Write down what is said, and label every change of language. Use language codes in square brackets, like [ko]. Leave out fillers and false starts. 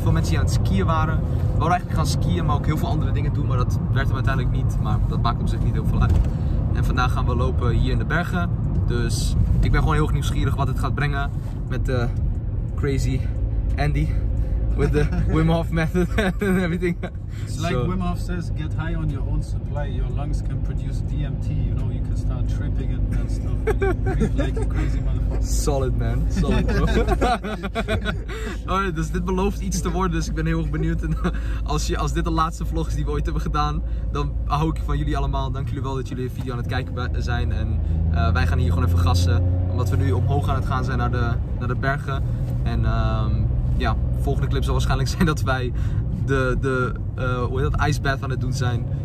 [nl] Veel mensen die aan het skiën waren. We wilden eigenlijk gaan skiën, maar ook heel veel andere dingen doen. Maar dat werd hem uiteindelijk niet, maar dat maakt op zich niet heel veel uit. En vandaag gaan we lopen hier in de bergen. Dus ik ben gewoon heel nieuwsgierig wat het gaat brengen met de crazy Andy. [en] With the Wim Hof method and everything. It's like so. Wim Hof says, get high on your own supply. Your lungs can produce DMT. You know, you can start tripping and stuff. And you breathe like a crazy motherfucker. Solid, man. Solid, bro. [nl] Alright, dus dit belooft iets te worden. Dus ik ben heel erg benieuwd. En als dit de laatste vlog is die we ooit hebben gedaan, dan hou ik van jullie allemaal. Dank jullie wel dat jullie de video aan het kijken zijn. En wij gaan hier gewoon even gassen. Omdat we nu omhoog aan het gaan zijn naar de bergen. En ja, de volgende clip zal waarschijnlijk zijn dat wij de ice bath aan het doen zijn.